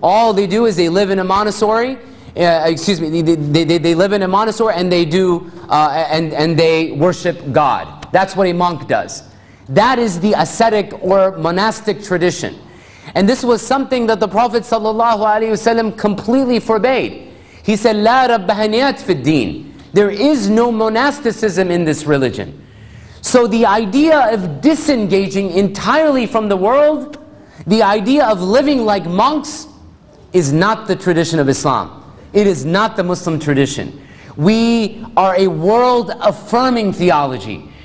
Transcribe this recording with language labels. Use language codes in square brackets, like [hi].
[en] All they do is they live in a monastery. They live in a monastery and they do and they worship God. That's what a monk does. That is the ascetic or monastic tradition. And this was something that the Prophet ﷺ completely forbade. He said, [ar] لا ربهنيات في الدين. [en] There is no monasticism in this religion. So the idea of disengaging entirely from the world, the idea of living like monks, is not the tradition of Islam. It is not the Muslim tradition. We are a world-affirming theology.